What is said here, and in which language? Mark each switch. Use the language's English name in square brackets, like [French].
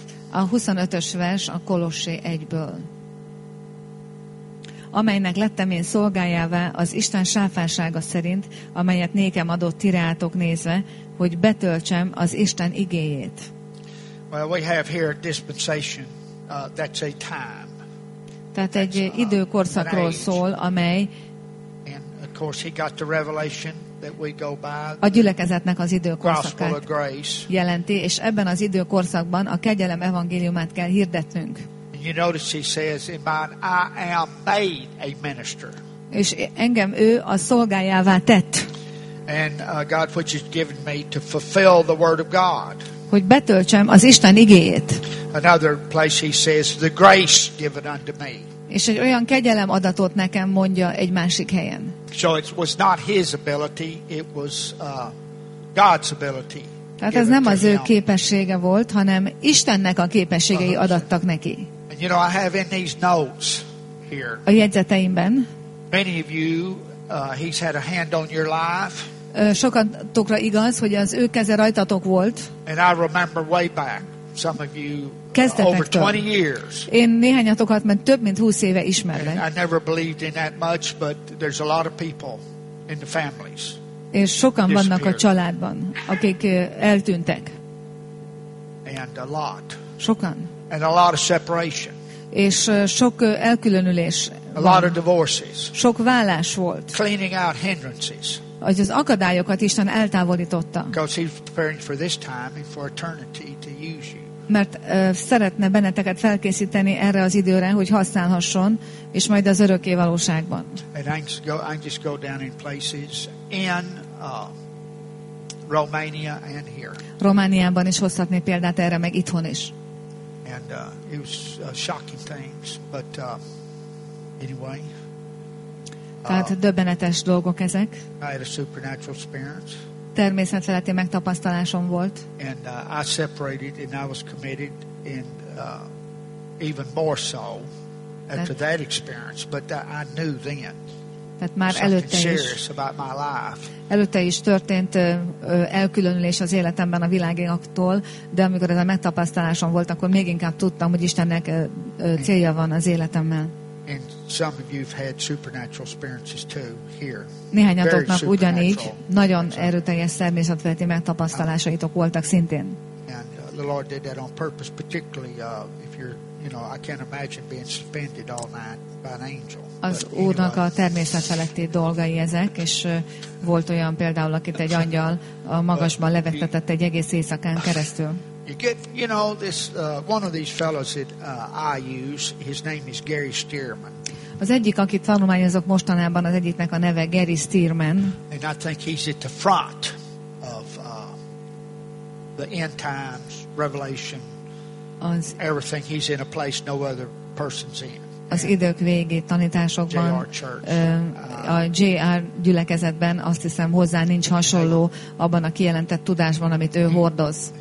[Hungarian] A 25-ös vers a Kolossé 1-ből. Amelynek lettem én szolgájává az Isten sáfársága szerint, amelyet nékem adott tirátok nézve, hogy betöltsem az Isten igéjét. [English] Well, we have here a dispensation, that's a time. [Hungarian] Tehát egy időkorszakról szól, amely [English] and of course he got the revelation that we go by, [Hungarian] a gyülekezetnek az időkorszakát jelenti, és ebben az időkorszakban a kegyelem evangéliumát kell hirdetnünk. [English] You notice he says, "In mine, I am made a minister." [Hungarian] És engem ő a szolgájává tett. [English] And God, which has given me to fulfill the word of God. [Hungarian] Hogy betöltsem az Isten igéjét. [English] Another place he says, "The grace given unto me." [Hungarian] És egy olyan kegyelem adatot nekem mondja egy másik helyen. [English] So it was not his ability; it was God's ability. [Hungarian] Tehát ez nem az ő képessége volt, hanem Istennek a képességei adattak neki. [English] You know, I have in these notes here. [Hungarian] A jegyzeteimben. [English] Many of you, he's had a hand on your life. [Hungarian] sokatokra igaz, hogy az ő keze rajtatok volt. [English] And I remember way back, some of you over 20 years. [Hungarian] Én néhányatokat, mert több mint 20 éve ismerlek. [English] I never believed in that much, but there's a lot of people in the families. [Hungarian] És sokan vannak a családban, akik eltűntek. [English] And a lot. [Hungarian] Sokan. [English] And a lot of separation. [Hungarian] És sok elkülönülés. [English] A lot of divorces. [Hungarian] Sok válás volt. [English] Cleaning out hindrances. [Hungarian] Hogy az akadályokat Isten eltávolította. [English] Because he's preparing for this time and for eternity to use you. [Hungarian] Mert szeretne benneteket felkészíteni erre az időre, hogy használhasson, és majd az örökké valóságban. [English] And I just go down in places in Romania and here. [Hungarian] Romániában is hozhatnék példát erre, meg itthon is. [English] And it was shocking things, but anyway. [Hungarian] Tehát döbbenetes dolgok ezek. [English] I had a supernatural experience. [Hungarian] Természetfeletti megtapasztalásom volt. [English] And I separated and I was committed and even more so after that experience, but I knew then. [Hungarian] Tehát már előtte is. Előtte is történt elkülönülés az életemben a világéktől, de amikor ez a megtapasztalásom volt, akkor még inkább tudtam, hogy Istennek célja van az életemmel. [English] And some of you've had supernatural experiences too here. [Hungarian] Néhányatoknak ugyanígy nagyon erőteljes természetfeletti megtapasztalásaitok voltak szintén. [English] And the Lord did that on purpose, particularly if you're, you know, I can't imagine being suspended all night by an angel. [Hungarian] Az Úrnak a természetfeletti dolgai ezek, és volt olyan például, akit egy angyal a magasban levettetett egy egész éjszakán keresztül. [English] You get, you know, this one of these fellows that I use. His name is Gary Stearman. [Hungarian] Az egyik, akit tanulmányozok mostanában, az egyiknek a neve Gary Stearman. [English] And I think he's at the front of the end times revelation. [Hungarian] Az [English] everything. He's in a place no other person's in. [Hungarian] Az idők végi tanításokban, a JR gyülekezetben azt hiszem hozzá nincs hasonló abban a kijelentett tudásban, amit ő hordoz.